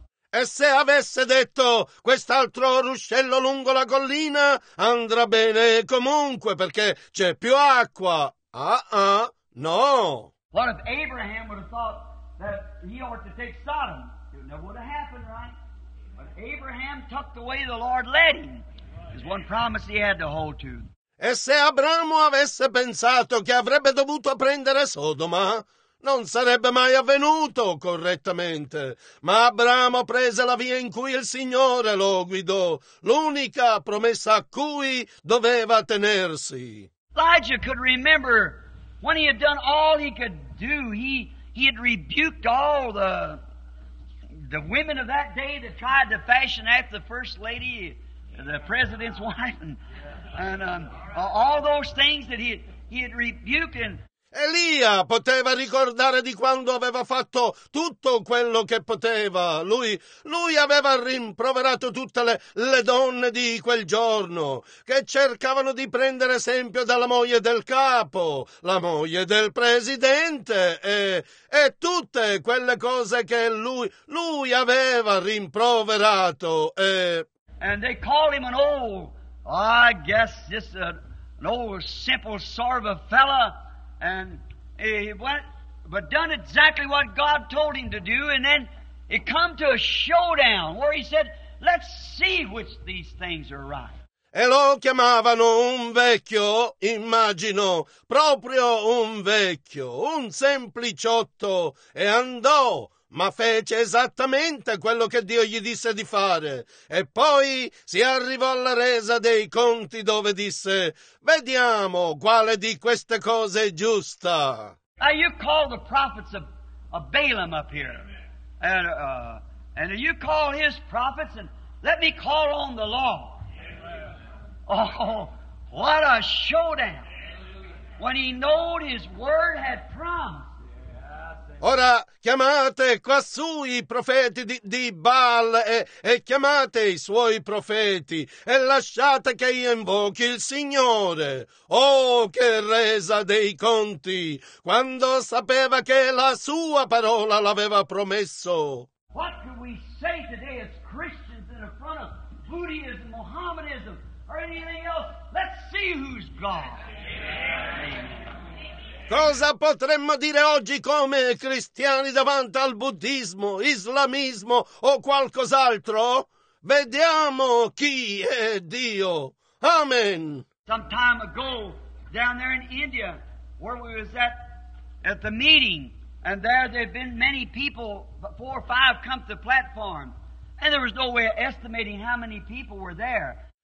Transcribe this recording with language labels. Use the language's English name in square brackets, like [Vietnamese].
[Italian] E se avesse detto quest'altro ruscello lungo la collina andrà bene comunque perché c'è più acqua. [English] No. What if Abraham would have thought that he ought to take Sodom? It never would have happened, right? But Abraham took the way the Lord led him. It's one promise he had to hold to. [Italian] E se Abramo avesse pensato che avrebbe dovuto prendere Sodoma? Non sarebbe mai avvenuto correttamente, ma Abramo prese la via in cui il Signore lo guidò, l'unica promessa a cui doveva tenersi. [English] Elijah could remember when he had done all he could do, he had rebuked all the women of that day that tried to fashion after the first lady, the president's wife, and all those things that he had rebuked and. [Italian] Elia poteva ricordare di quando aveva fatto tutto quello che poteva. Lui aveva rimproverato tutte le donne di quel giorno che cercavano di prendere esempio dalla moglie del capo, la moglie del presidente e tutte quelle cose che lui aveva rimproverato. [English] And they call him an old, I guess just an old simple sort of a fella. And he went, but done exactly what God told him to do, and then it come to a showdown where he said, let's see which these things are right. [Italian] E lo chiamavano un vecchio, immagino, proprio un vecchio, un sempliciotto, e andò, ma fece esattamente quello che Dio gli disse di fare. E poi si arrivò alla resa dei conti dove disse, vediamo quale di queste cose è giusta. [English] Now you call the prophets of Balaam up here. And you call his prophets, and let me call on the Lord. Oh, what a showdown. When he knew his word had promised. [Italian] Ora chiamate quassù i profeti di Baal e chiamate i suoi profeti e lasciate che io invochi il Signore. Oh, che resa dei conti, quando sapeva che la sua parola l'aveva promesso. [English] What can we say today as Christians in front of Buddhism, Mohammedism, or anything else? Let's see who's God. Amen. [Italian] Cosa potremmo dire oggi come cristiani davanti al buddismo, islamismo o qualcos'altro? Vediamo chi è Dio. Amen. [English] Some time ago, down there in India, where we was at the meeting, and there have been many people, 4 or 5 come to the platform, and there was no way of estimating how many people were there.